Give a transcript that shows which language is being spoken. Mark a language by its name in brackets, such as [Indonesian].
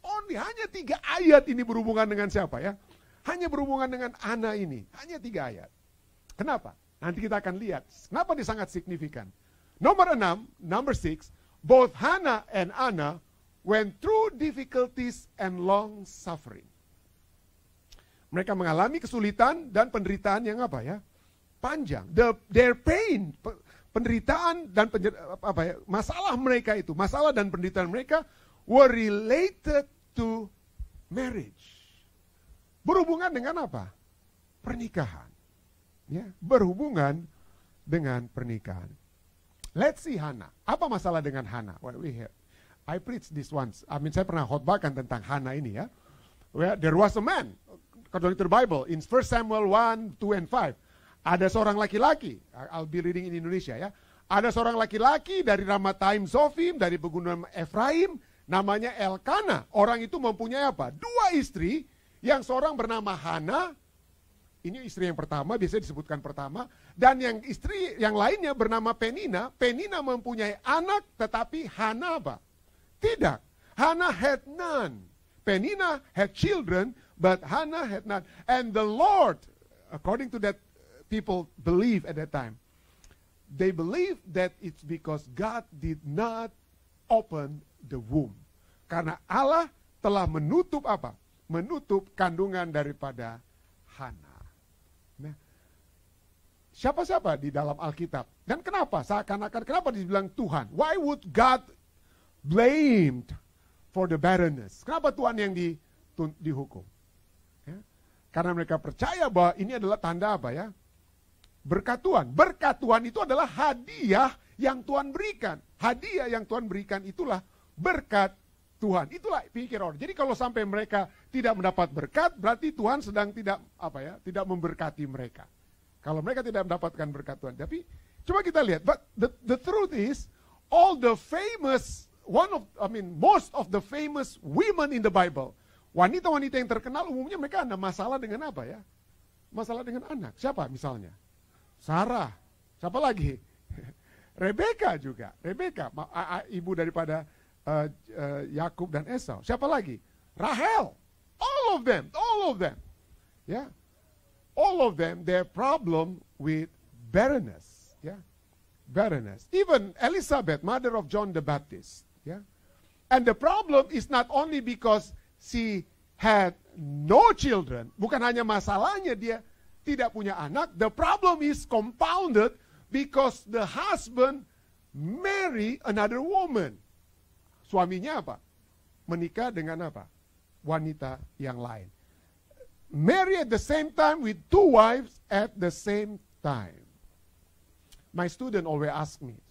[Indonesian] Hanya tiga ayat ini berhubungan dengan siapa ya? Hanya berhubungan dengan Anna ini. Hanya tiga ayat. Kenapa? Nanti kita akan lihat. Kenapa ini sangat signifikan? [English] Number six, both Hannah and Anna went through difficulties and long suffering. [Indonesian] Mereka mengalami kesulitan dan penderitaan yang apa ya? Panjang. [English] Their pain, [Indonesian] penderitaan dan masalah mereka itu, masalah dan penderitaan mereka [English] were related to marriage. [Indonesian] Berhubungan dengan apa? Pernikahan. Ya, berhubungan dengan pernikahan. [English] Let's see Hana. [Indonesian] Apa masalah dengan Hana? [English] I preached this once. I mean, [Indonesian] saya pernah khotbahkan tentang Hana ini ya. [English] Well, there was a man, according to the Bible, in 1 Samuel 1, 2, and 5. [Indonesian] Ada seorang laki-laki, [English] I'll be reading in Indonesia [Indonesian] ya. Ada seorang laki-laki dari Ramataim Zofim, dari pegunungan Efraim, namanya Elkana. Orang itu mempunyai apa? Dua istri, yang seorang bernama Hana, ini istri yang pertama, biasanya disebutkan pertama, dan yang istri yang lainnya bernama Penina. Penina mempunyai anak, tetapi Hana apa? Tidak. [English] Hana had none. Penina had children, but Hana had none. And the Lord, according to that people believe at that time, they believe that it's because God did not open the womb. [Indonesian] Karena Allah telah menutup apa? Menutup kandungan daripada Hana. Siapa-siapa di dalam Alkitab? Dan kenapa? Seakan-akan kenapa dibilang Tuhan? Why would God blamed for the barrenness? Kenapa Tuhan yang dihukum? Ya? Karena mereka percaya bahwa ini adalah tanda apa ya? Berkat Tuhan. Berkat Tuhan itu adalah hadiah yang Tuhan berikan. Hadiah yang Tuhan berikan itulah berkat Tuhan. Itulah pikir orang. Jadi kalau sampai mereka tidak mendapat berkat, berarti Tuhan sedang tidak memberkati mereka. Kalau mereka tidak mendapatkan berkat Tuhan. Tapi coba kita lihat. [English] But the truth is, all the famous, most of the famous women in the Bible, [Indonesian] wanita-wanita yang terkenal umumnya mereka ada masalah dengan apa ya? Masalah dengan anak. Siapa misalnya? Sarah. Siapa lagi? Rebeka juga. Rebeka, ibu daripada Yakub dan Esau. Siapa lagi? Rahel. [English] All of them. [Indonesian] Ya. Yeah. [English] All of them, their problem with barrenness. Yeah? Barrenness. Even Elizabeth, mother of John the Baptist. Yeah? And the problem is not only because she had no children. [Indonesian] Bukan hanya masalahnya dia tidak punya anak. [English] The problem is compounded because the husband married another woman. [Indonesian] Suaminya apa? Menikah dengan apa? Wanita yang lain. [English] Marry at the same time with two wives at the same time. My student always ask me,